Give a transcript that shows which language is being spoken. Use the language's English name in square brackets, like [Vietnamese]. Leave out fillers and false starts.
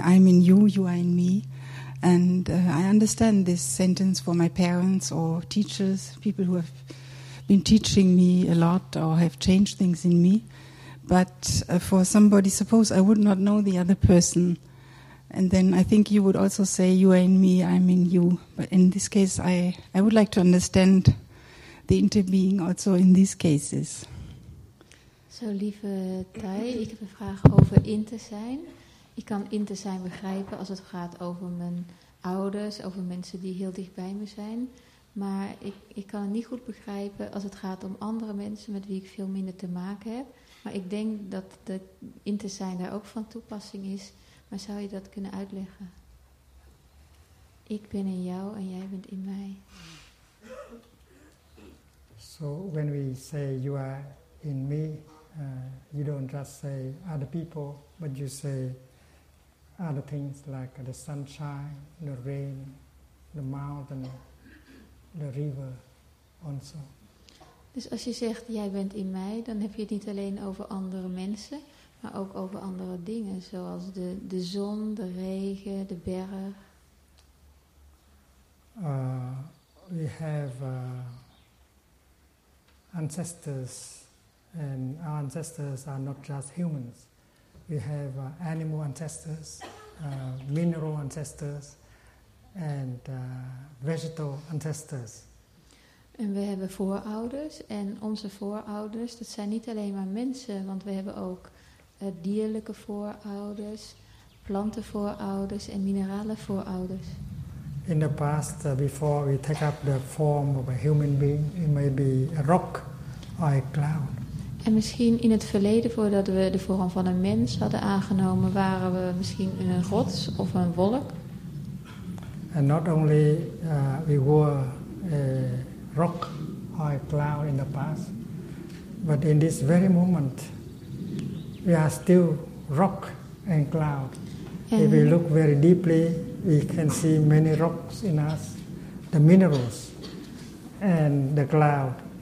[English] I'm in you, you are in me. And I understand this sentence for my parents or teachers, people who have been teaching me a lot or have changed things in me. But for somebody, suppose I would not know the other person. And then I think you would also say, you are in me, I'm in you. But in this case, I would like to understand the interbeing also in these cases. [Dutch] Zo, lieve Thay, ik heb een vraag over inter zijn. Ik kan inter zijn begrijpen als het gaat over mijn ouders, over mensen die heel dicht bij me zijn. Maar ik kan het niet goed begrijpen als het gaat om andere mensen met wie ik veel minder te maken heb. Maar ik denk dat de inter zijn daar ook van toepassing is. Maar zou je dat kunnen uitleggen? Ik ben in jou en jij bent in mij. [English] So when we say you are in me, you don't just say other people, but you say other things like the sunshine, the rain, the mountain, the river also. [Dutch] Dus als je zegt jij bent in mij, dan heb je het niet alleen over andere mensen, maar ook over andere dingen, zoals de zon, de regen, de berg. [English] We have ancestors. And our ancestors are not just humans. We have animal ancestors, mineral ancestors, and vegetal ancestors. [Dutch] En we hebben voorouders. En onze voorouders, dat zijn niet alleen maar mensen, want we hebben ook dierlijke voorouders, plantenvoorouders en minerale voorouders. [English] In the past, before we take up the form of a human being, it may be a rock or a cloud. [Dutch] En misschien in het verleden, voordat we de vorm van een mens hadden aangenomen, waren we misschien een rots of een wolk. [English] And not only we were a rock or a cloud in the past, but in this very moment we are still rock and cloud. And if we look very deeply, we can see many rocks in us, the minerals and the cloud.